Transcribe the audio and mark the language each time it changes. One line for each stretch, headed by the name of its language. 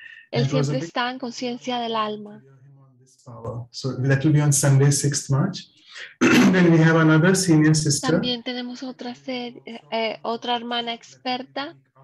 Spanish: Él siempre está en conciencia del alma.
English: So that will be on Sunday, 6th March. Then we have another senior sister.
Spanish: También tenemos otra otra hermana experta.